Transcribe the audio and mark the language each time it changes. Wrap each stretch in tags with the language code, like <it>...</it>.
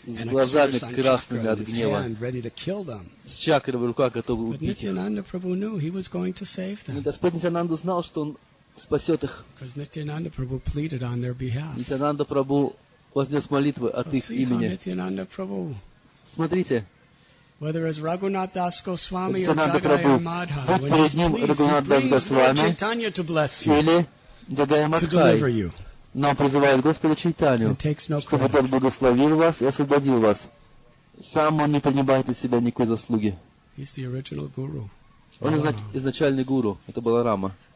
<ru>с глазами красными от гнева,</ru> <en>hand,</en> <ru>с чакрой в руках, готовый убить их. Но Господь Нитьянанда знал, что он спасет их. Нитьянанда Прабху вознес молитвы от их имени. Смотрите,</ru> <en>whether as Raghunath Das Goswami or Jagai Madhav, when he's pleased, he pleads Lord Chaitanya to bless you,</en> <ru>или Jagai Madhav, но призывает Господа Чайтанью, чтобы тот благословил вас и освободил вас. Сам он не принимает на себя никакой заслуги.</ru> <en>He's the original guru.</en> <ru>Он изначальный гуру. Это была Рама.</ru>